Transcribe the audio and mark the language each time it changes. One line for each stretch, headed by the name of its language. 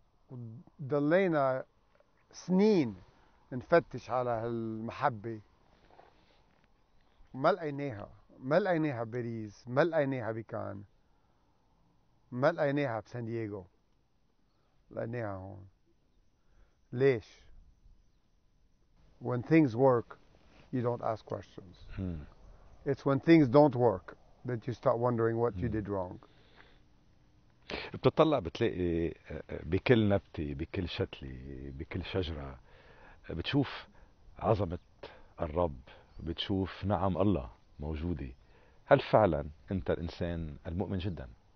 Arabic: وضلينا سنين نفتش على هالمحبة ما لقيناها، ما لقيناها بباريس، ما لقيناها بكان، ما لقيناها بسان دييغو، لقيناها هون. ليش؟
English: When things work, you don't ask questions. It's when things don't work that you start wondering what you did wrong.
Arabic: بتطلع بتلاقي بكل نبتة، بكل شتلة، بكل شجرة بتشوف عظمة الرب، بتشوف نعم الله موجودة. هل فعلا أنت الإنسان المؤمن جدا؟